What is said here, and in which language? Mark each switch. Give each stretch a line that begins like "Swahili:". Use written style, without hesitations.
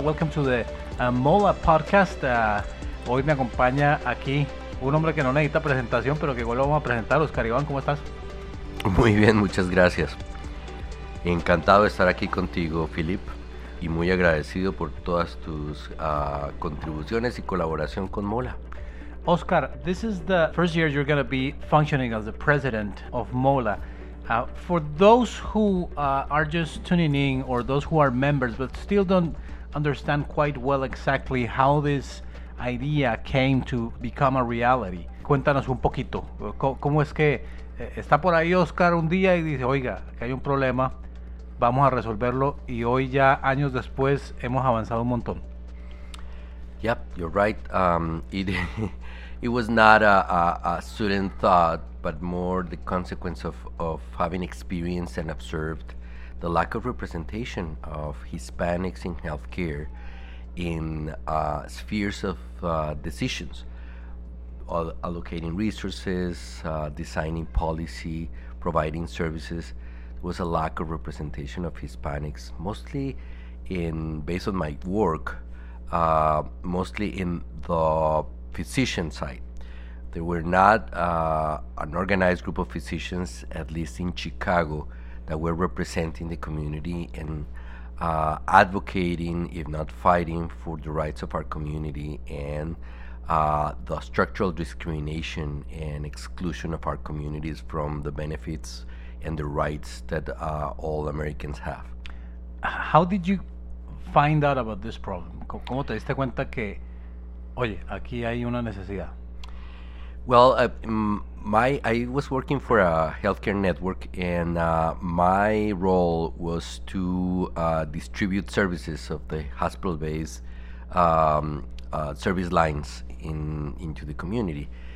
English: Welcome to the MOLA podcast.
Spanish: Hoy me acompaña aquí un hombre que no necesita presentación, pero que igual lo vamos a presentar. Oscar Iván, ¿cómo estás? Muy bien, muchas gracias. Encantado de estar aquí contigo, Philip. Y muy agradecido por todas tus contribuciones y colaboración con MOLA.
English: Oscar, this is the first year you're going to be functioning as the president of MOLA. For those who are just tuning in or those who are members but still don't understand quite well exactly how this idea came to become a reality,
Spanish: cuéntanos un poquito. ¿Cómo es que está por ahí Oscar un día y dice, oiga, que hay un problema? Vamos a resolverlo, y hoy ya años después hemos avanzado un montón.
English: Yep, you're right. It was not a sudden thought, but more the consequence of having experienced and observed the lack of representation of Hispanics in healthcare in spheres of decisions, allocating resources, designing policy, providing services. Was a lack of representation of Hispanics, mostly in, based on my work, mostly in the physician side. There were not an organized group of physicians, at least in Chicago, that were representing the community and advocating, if not fighting, for the rights of our community and the structural discrimination and exclusion of our communities from the benefits and the rights that all Americans have. How did you find out about this problem?
Spanish: ¿Cómo te diste cuenta que, oye, aquí hay una necesidad?
English: Well, I was working for a healthcare network, and my role was to distribute services of the hospital-based service lines into the community.